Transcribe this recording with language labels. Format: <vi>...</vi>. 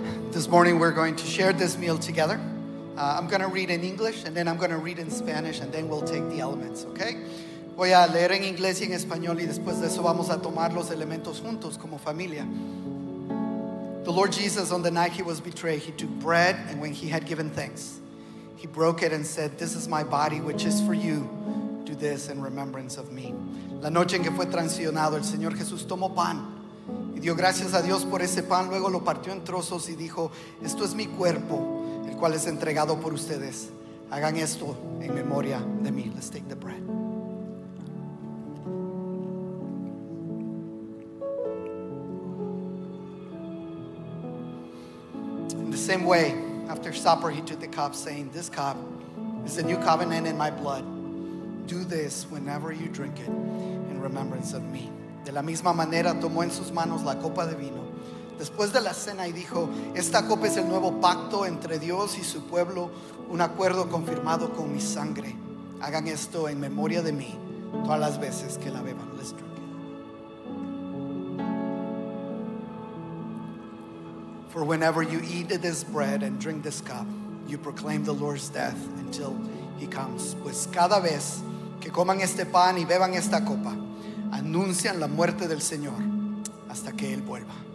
<en>This morning, we're going to share this meal together. I'm going to read in English, and then I'm going to read in Spanish, and then we'll take the elements, okay?</en> <es>Voy a leer en inglés y en español, y después de eso vamos a tomar los elementos juntos como familia.</es> <en>The Lord Jesus, on the night he was betrayed, he took bread, and when he had given thanks, he broke it and said, "This is my body, which is for you. Do this in remembrance of me."</en> <es>La noche en que fue traicionado, el Señor Jesús tomó pan y dio gracias a Dios por ese pan. Luego lo partió en trozos y dijo, "Esto es mi cuerpo, el cual es entregado por ustedes. Hagan esto en memoria de mí."</es> <en>Let's take the bread. In the same way, after supper, he took the cup, saying, "This cup is the new covenant in my blood. Do this whenever you drink it in remembrance of me."</en> <es>De la misma manera, tomó en sus manos la copa de vino después de la cena y dijo, "Esta copa es el nuevo pacto entre Dios y su pueblo, un acuerdo confirmado con mi sangre. Hagan esto en memoria de mí todas las veces que la beban."</es> <en>Let's drink it. "For whenever you eat this bread and drink this cup, you proclaim the Lord's death until he comes."</en> <es>Pues cada vez que coman este pan y beban esta copa, anuncian la muerte del Señor hasta que Él vuelva.</es>